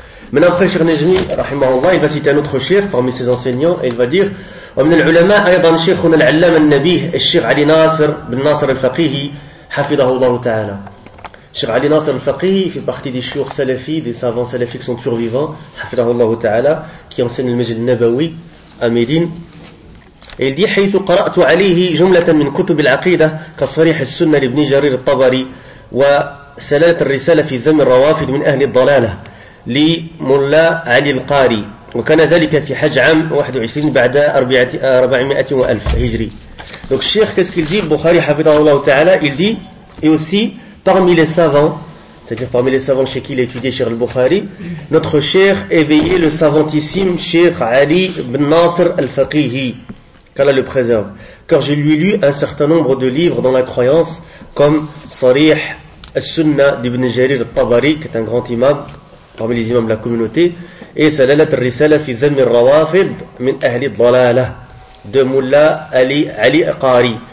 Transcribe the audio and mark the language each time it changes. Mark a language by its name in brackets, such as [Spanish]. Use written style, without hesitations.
[French] Maintenant, après Cheikh Najmi, rahimahullah, il va citer un autre cheikh parmi ses enseignants, et il va dire, [Arabic] وَمِنَ الْعُلَمَاءِ أَيْضًا شَيْخُنَ الْعَلَّمَ النَّبِيهِ الشَّيْخ عَلِي نَاصِر بِن نَاصِر الْفَقِيهِ حَفِظَهُ اللَّهُ تَعَالَى. [French] Cheikh Ali Nasr al-Faqih fait partie des chouyoukh salafis, des savants salafis qui sont toujours vivants, hafidahullahu ta'ala, qui enseigne le Masjid Nabawi à Médine. Et il dit, [Arabic] حيث قرأت عليه جملة من كتب العقيدة كصريح السنة لابن جرير الطبري وسلالة الرسالة في ذم الروافد من أهل الضلالة لملا علي القاري وكان ذلك في حج عام 21 بعد 400,000 هجري. [French] Donc Cheikh, qu'est-ce qu'il dit? Bukhari, hafidahullah ta'ala, il dit, et aussi parmi les savants, c'est-à-dire parmi les savants chez qui il a étudié Cheikh al-Bukhari, notre cheikh éveillé, le savantissime Cheikh Ali ibn Nasir al-Faqihi, qu'Allah le préserve. Car je lui ai lu un certain nombre de livres dans la croyance, comme Sarih al-Sunna d'Ibn Jarir al-Tabari, qui est un grand imam parmi les imams de la communauté, et Salalat al-Risala fi Zam al-Rawafid min Ahli al-Dalala de Mullah Ali Aqari.